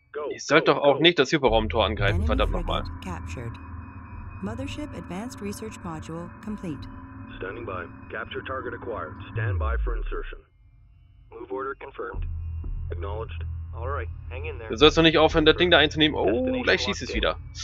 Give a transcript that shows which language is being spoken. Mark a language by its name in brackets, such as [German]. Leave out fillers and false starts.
[German] Ich sollte doch auch nicht das Hyperraumtor angreifen, verdammt nochmal. [English] Mothership Advanced Research Module complete. Standing by. Capture target acquired. Stand by for insertion. Move order confirmed. Acknowledged. Alright, hang in there. [German] Du sollst doch nicht aufhören, das Ding da einzunehmen. Oh, gleich schießt es wieder.